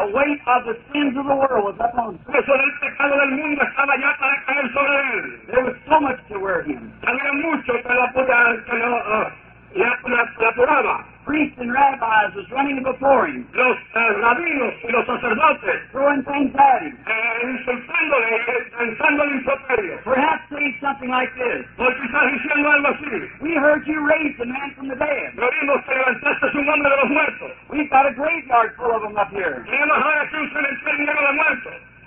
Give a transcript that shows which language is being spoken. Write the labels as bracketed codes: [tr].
[en] The weight of the sins of the world was upon him. [es] Peso del pecado del mundo estaba ya para caer sobre él. [en] There was so much to wear him. [es] Había mucho que lo apuraba. [en] Priests and rabbis was running before him. [es] Los rabinos y los sacerdotes. [en] Throwing things at him. [es] Insultándole, lanzándole improperios. [en] Perhaps say something like this. [es] O quizás diciendo algo así. [en] We heard you raise a man from the dead. [es] Oímos que levantaste un hombre de los muertos. [en] We've got a graveyard full of them up here. [es] Tenemos ahora aquí un cementerio lleno de muertos.